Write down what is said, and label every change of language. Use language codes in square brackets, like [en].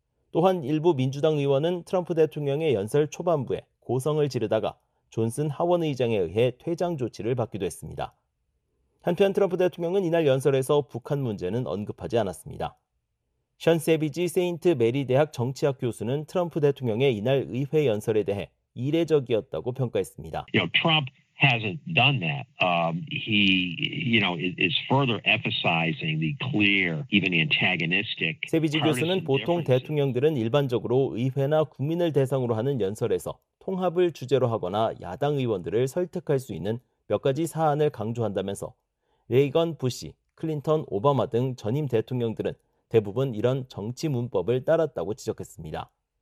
[ko] 또한 일부 민주당 의원은 트럼프 대통령의 연설 초반부에 고성을 지르다가 존슨 하원의장에 의해 퇴장 조치를 받기도 했습니다. 한편 트럼프 대통령은 이날 연설에서 북한 문제는 언급하지 않았습니다. 션 세비지 세인트 메리 대학 정치학 교수는 트럼프 대통령의 이날 의회 연설에 대해 이례적이었다고 평가했습니다. [en] You know, Trump hasn't done that. He, you know, is further emphasizing the clear, even antagonistic. [ko] 세비지 교수는 보통 대통령들은 일반적으로 의회나 국민을 대상으로 하는 연설에서 통합을 주제로 하거나 야당 의원들을 설득할 수 있는 몇 가지 사안을 강조한다면서 레이건, 부시, 클린턴, 오바마 등 전임 대통령들은 대부분 이런 정치 문법을 따랐다고 지적했습니다.